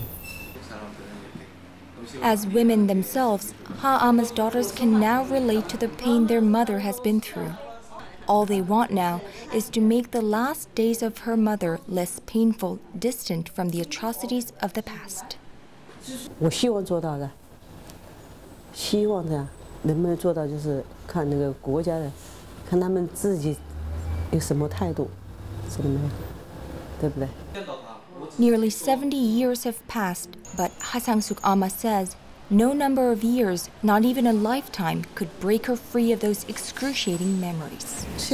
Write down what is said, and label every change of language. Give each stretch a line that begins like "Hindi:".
Chinese: 我蛮大了，不是小时候大了以后，我们中国就叫他东洋孩子，对吧？嗯，心情很愤怒了，对吧？把他们这妇女糟蹋了，对吧？嗯。
English: As women themselves, Ha'ama's daughters can now relate to the pain their mother has been through. All they want now is to make the last days of her mother less painful, distant from the atrocities of the past.
Chinese: 我希望做到的，希望的，能不能做到就是看那个国家的，看他们自己有什么态度，是不是？对不对？
English: Nearly 70 years have passed, but Ha Sang-suk Ama says no number of years, not even a lifetime, could break her free of those excruciating memories.